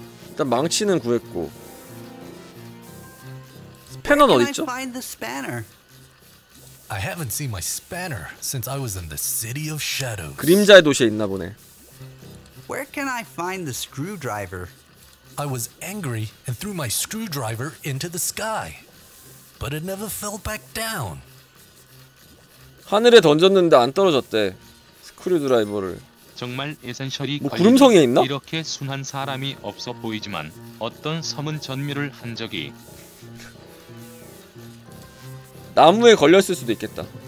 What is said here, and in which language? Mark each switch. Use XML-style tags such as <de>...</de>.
<ko>일단 망치는 구했고 스패너는 어디 있죠?</ko> <en>I find the spanner. I haven't seen my spanner since I was in the city of shadows.</en> <ko>그림자의 도시에 있나 보네.</ko> <en>Where can I find the screwdriver? I was angry and threw my screwdriver into the sky, but it never fell back down.</en> <ko>하늘에 던졌는데 안 떨어졌대. 스크류드라이버를. 정말 에센셜이 뭐 구름성에 있나? 이렇게 순한 사람이 없어 보이지만 어떤 섬은 전멸을 한 적이. 나무에 걸렸을 수도 있겠다.</ko>